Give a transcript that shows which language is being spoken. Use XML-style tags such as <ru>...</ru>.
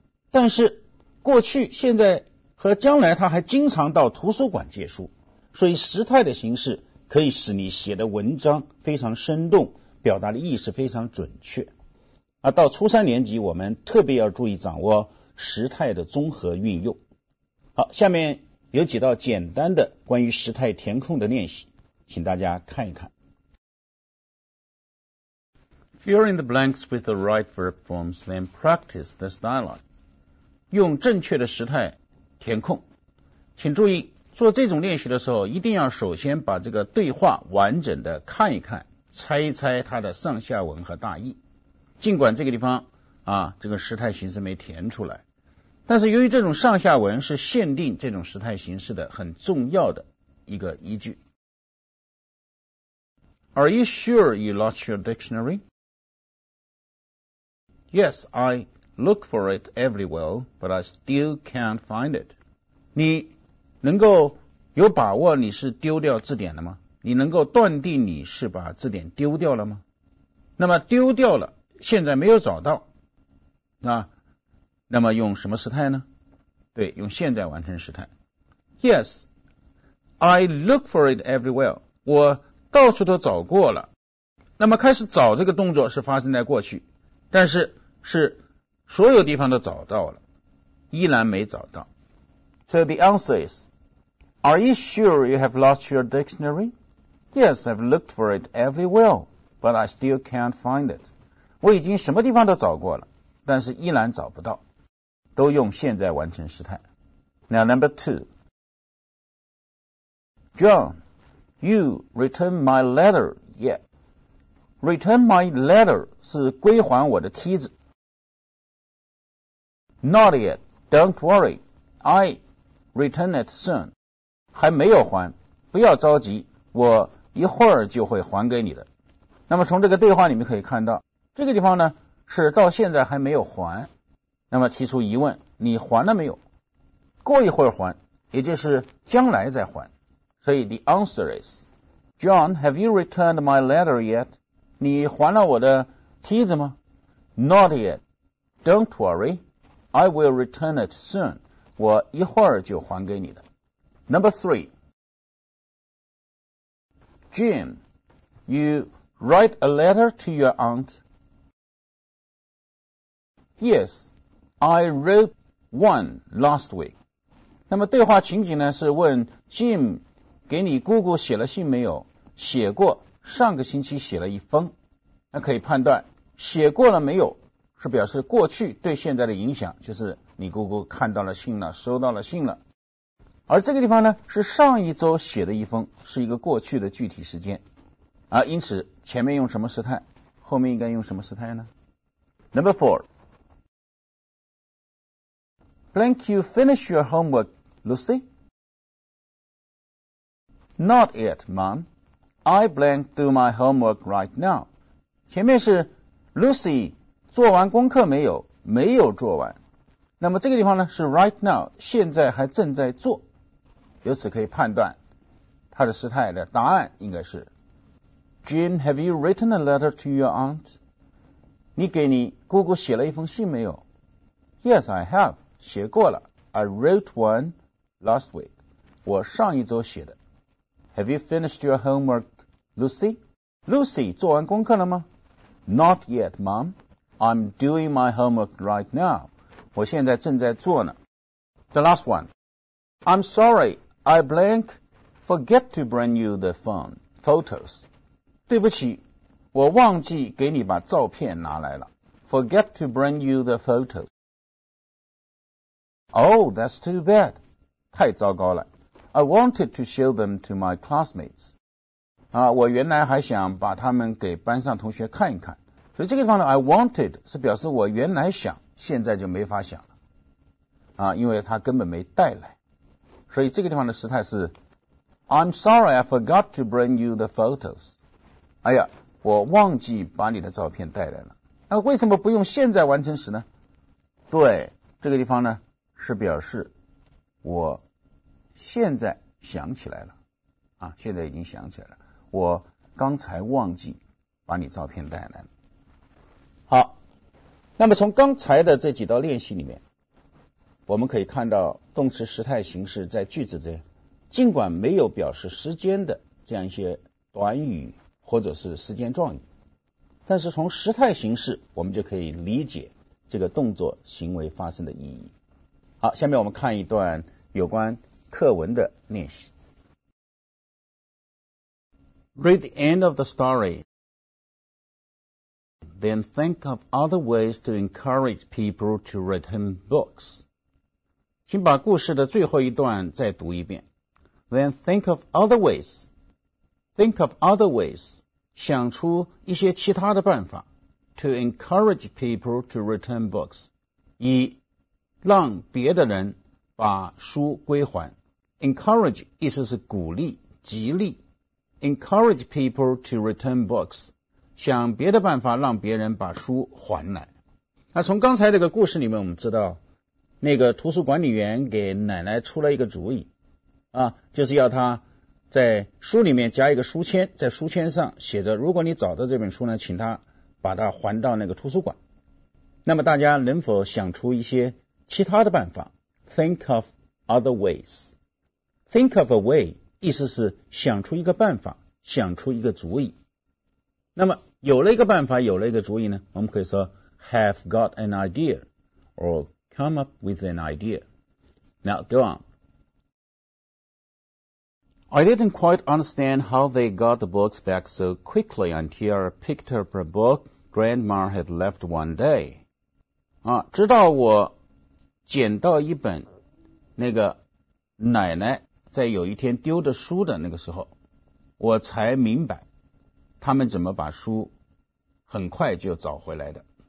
<zh>但是过去现在和将来她还经常到图书馆借书所以时态的形式可以使你写的文章非常生动表达的意思非常准确而到初三年级我们特别要注意掌握时态的综合运用好下面有几道简单的关于时态填空的练习请大家看一看</zh> <en>Fill in the blanks with the right verb forms then practice this dialogue</en> <zh>用正确的时态填空请注意做这种练习的时候一定要首先把这个对话完整的看一看猜一猜它的上下文和大意。尽管这个地方啊，这个时态形式没填出来，但是由于这种上下文是限定这种时态形式的很重要的一个依据。</zh> <en>Are you sure you lost your dictionary? Yes, I look for it everywhere, but I still can't find it.</en> <zh>你能够有把握你是丢掉字典了吗？你能够断定你是把字典丢掉了吗？那么丢掉了，现在没有找到，那么用什么时态呢？对，用现在完成时态。</zh> <en>Yes, I look for it everywhere.</en> <zh>我到处都找过了。那么开始找这个动作是发生在过去，但是是所有地方都找到了，依然没找到。</zh> <en>So the answer is, are you sure you have lost your dictionary? Yes, I've looked for it everywhere, but I still can't find it.</en> <zh>我已经什么地方都找过了，但是依然找不到。都用现在完成时态。</zh> <en>Now number two. John, you return my letter yet. Return my letter</en> <zh>是归还我的梯子。</zh> <en>Not yet. Don't worry. I return it soon.</en> <zh>还没有还，不要着急，我一会儿就会还给你的。那么从这个对话里面可以看到，这个地方呢是到现在还没有还，那么提出疑问，你还了没有？过一会儿还，也就是将来再还。所以</zh> <en>the answer is, John, have you returned my letter yet?</en> <zh>你还了我的梯子吗？</zh> <en>Not yet. Don't worry. I will return it soon.</en> <zh>我一会儿就还给你的。</zh> <en>Number three. Jim, you write a letter to your aunt? Yes. I wrote one last week.</en> <zh>那么对话情景呢，是问 Jim 给你姑姑写了信没有？写过，上个星期写了一封。那可以判断，写过了没有，是表示过去对现在的影响，就是你姑姑看到了信了，收到了信了。而这个地方呢，是上一周写的一封，是一个过去的具体时间。啊，因此前面用什么时态，后面应该用什么时态呢？</zh> <en>Number four. Blank, you finish your homework, Lucy? Not yet, Mom. I blank do my homework right now.</en> <zh>前面是 Lucy 做完功课没有？没有做完。那么这个地方呢是</zh> <en>right now，</en> <zh>现在还正在做。由此可以判断，它的时态的答案应该是</zh> <en>Jim, have you written a letter to your aunt?</en> <zh>你给你姑姑写了一封信没有？</zh> <en>Yes, I have.</en> <zh>写过了。</zh> <en>I wrote one last week.</en> <zh>我上一周写的。</zh> <en>Have you finished your homework, Lucy?</en> <zh>Lucy, 做完功课了吗？</zh> <en>Not yet, Mom. I'm doing my homework right now.</en> <zh>我现在正在做呢。</zh> <en>The last one. I'm sorry, I blank forget to bring you the phone photos.</en> <zh>对不起，我忘记给你把照片拿来了。</zh> <en>Forget to bring you the photos. Oh, that's too bad.</en> <zh>太糟糕了。</zh> <en>I wanted to show them to my classmates.</en> <zh>啊，我原来还想把他们给班上同学看一看。所以这个地方呢 ，</zh> <en>I wanted</en> <zh>是表示我原来想，现在就没法想了。啊，因为他根本没带来。所以这个地方的时态是</zh> <en>，I'm sorry, I forgot to bring you the photos.</en> <zh>哎呀，我忘记把你的照片带来了。那为什么不用现在完成时呢？对，这个地方呢？是表示我现在想起来了啊，现在已经想起来了，我刚才忘记把你照片带来了。好，那么从刚才的这几道练习里面，我们可以看到动词时态形式在句子中，尽管没有表示时间的这样一些短语或者是时间状语，但是从时态形式我们就可以理解这个动作行为发生的意义。好，下面我们看一段有关课文的练习。</zh> <en>Read the end of the story. Then think of other ways to encourage people to return books.</en> <zh>请把故事的最后一段再读一遍。</zh> <en>Then think of other ways. Think of other ways</en> <zh>想出一些其他的办法</zh> <en>to encourage people to return books,</en> <zh>以让别的人把书归还。 Encourage 意思是鼓励、激励。</zh> <en>Encourage people to return books,</en> <zh>想别的办法让别人把书还来。那从刚才这个故事里面我们知道，那个图书管理员给奶奶出了一个主意啊，就是要他在书里面加一个书签，在书签上写着，如果你找到这本书呢，请他把它还到那个图书馆。那么大家能否想出一些其他的办法？</zh> <en>Think of other ways. Think of a way</en> <zh>意思是想出一个办法，想出一个主意。那么有了一个办法，有了一个主意呢，我们可以说</zh> <en>Have got an idea or come up with an idea. Now go on. I didn't quite understand how they got the books back so quickly until I picked up a book Grandma had left one day.</en> <zh>啊，直到我捡到一本那个奶奶在有一天丢的书的那个时候，我才明白他们怎么把书很快就找回来的。</zh>